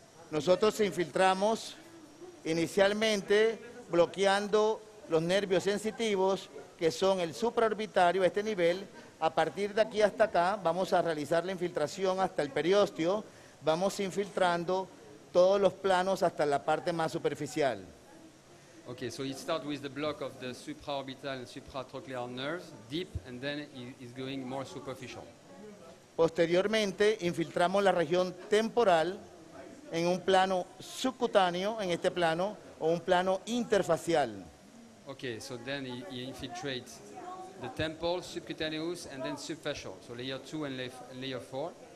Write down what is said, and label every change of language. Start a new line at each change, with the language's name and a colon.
Spanish: Nosotros infiltramos inicialmente bloqueando los nervios sensitivos, que son el supraorbitario, este nivel. A partir de aquí hasta acá, vamos a realizar la infiltración hasta el periósteo. Vamos infiltrando todos los planos hasta la parte más superficial.
English: Okay, so it starts with the block of the supraorbital and supratrochlear nerves, deep, and then it's going more superficial.
Spanish: Posteriormente, infiltramos la región temporal en un plano subcutáneo, en este plano, o un plano interfacial.
English: Okay, so then he infiltrates the temporal, subcutaneous, and then subfacial, so layer 2 and layer 4.